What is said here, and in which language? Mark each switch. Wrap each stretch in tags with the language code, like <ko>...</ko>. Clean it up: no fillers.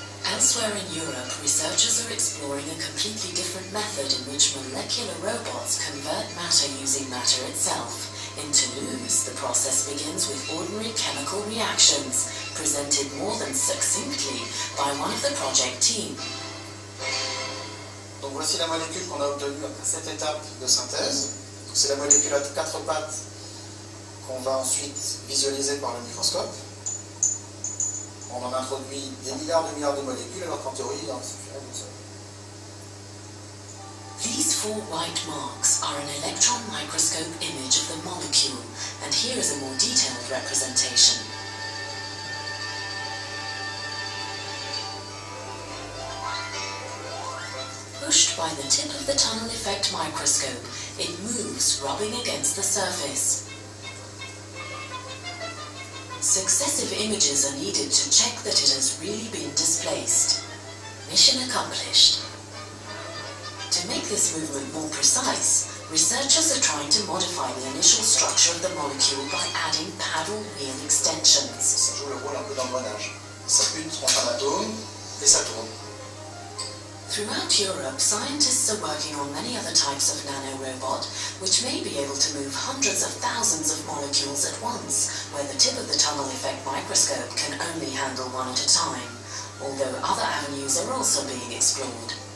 <en>Elsewhere in Europe, researchers are exploring a completely different method in which molecular robots convert matter using matter itself. In Toulouse, the process begins with ordinary chemical reactions, presented more than succinctly by one of the project team.</en> <fr>Donc voici la molécule qu'on a obtenue après cette étape de synthèse. Donc c'est la molécule à quatre pattes qu'on va ensuite visualiser par le microscope. On en introduit des milliards de molécules, alors qu'en théorie, il en suffirait d'une seule.</fr> <en>These four white marks are an electron microscope image of the molecule, and here is a more detailed representation. Pushed by the tip of the tunnel effect microscope, it moves, rubbing against the surface. Successive images are needed to check that it has really been displaced. Mission accomplished. To make this movement more precise, researchers are trying to modify the initial structure of the molecule by adding paddle wheel extensions.</en> <fr>Ça joue le rôle un peu d'engrenage. Ça pute, on fait un atome et ça tourne.</fr> <en>Throughout Europe, scientists are working on many other types of nanorobot, which may be able to move hundreds of thousands of molecules at once, where the tip of the tunnel effect microscope can only handle one at a time, although other avenues are also being explored.</en>